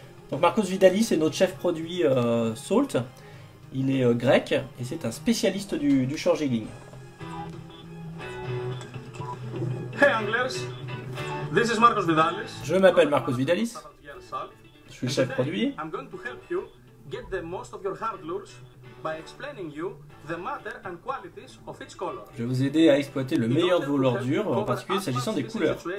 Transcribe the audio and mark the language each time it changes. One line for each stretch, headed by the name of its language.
French: Donc Marcos Vidalis, c'est notre chef produit Salt, il est grec et c'est un spécialiste du shore jigging.
English: Hey Anglers, this is Marcos Vidalis.
French: Je m'appelle Marcos Vidalis, je suis chef produit.
English: I'm going to help you get the most of your hard lures by explaining you the matter and qualities of each color.
French: Je vais vous aider à exploiter le meilleur de vos lordures, en particulier s'agissant des couleurs.